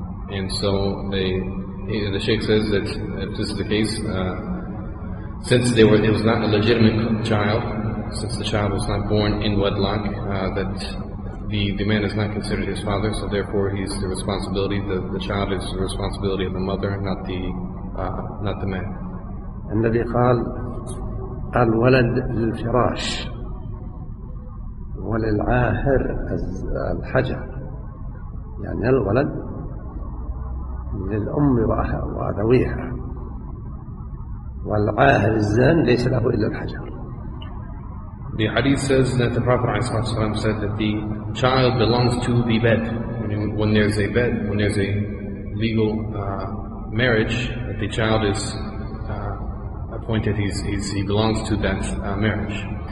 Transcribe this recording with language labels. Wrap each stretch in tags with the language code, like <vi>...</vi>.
<en>And so the Sheikh says that if this is the case, since it was not a legitimate child, since the child was not born in wedlock, that the man is not considered his father, so therefore he's the responsibility, the child is the responsibility of the mother, not the man.</en> <ar>الذي قال الولد للفراش وللعاهر الحجر، يعني الولد للأم وأذويها، والعاهر الزان ليس له إلا الحجر.</ar> <en>The hadith says that the Prophet ﷺ said that the child belongs to the bed. When there's a bed, when there's a legal marriage, that the child is appointed, he belongs to that marriage.</en>